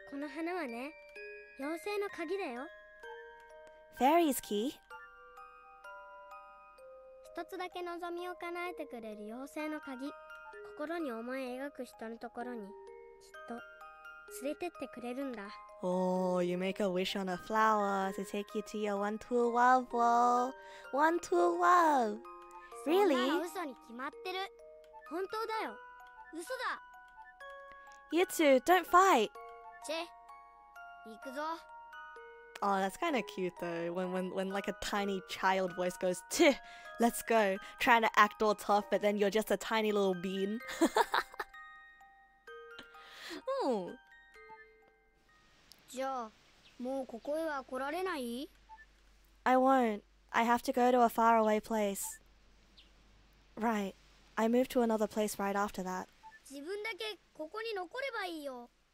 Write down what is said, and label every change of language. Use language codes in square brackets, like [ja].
[ja] この花はね、妖精の鍵だよ。 [en] Fairy's key? [ja] 一つだけ望みを叶えてくれる妖精の鍵。心に思い描く人のところに、きっと連れてってくれるんだ。 [en] Oh, you make a wish on a flower to take you to your one true love, well. One true love. Really? [ja] そんな嘘に決まってる。本当だよ。嘘だ。 [en] You two, don't fight. [ja] チェ、行くぞ。 [en] Oh, that's kind of cute though. When like a tiny child voice goes, チェ、let's go. Trying to act all tough, but then you're just a tiny little bean. Hmm. [ja] じゃあ、もうここへは来られない? [en] I won't. I have to go to a faraway place. Right. I moved to another place right after that. [ja] 自分だけここに残ればいいよ。